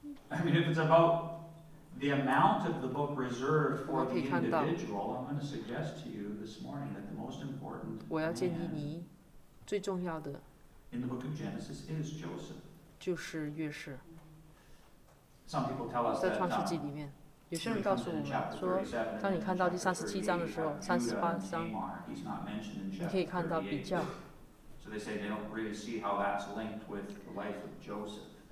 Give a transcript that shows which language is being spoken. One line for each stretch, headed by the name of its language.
English: I mean, if it's about the amount of the book reserved for the individual, I'm going to suggest to you this morning that the most important man in the book of Genesis is Joseph.
Chinese: 就是约瑟。
English: Some people tell us that.
Chinese: 在创世纪里面，有些人告诉我们说，当你看到第三十七章的时候，三十八章，你可以看到比较。
English: So they say they don't really see how that's linked with the life of Joseph.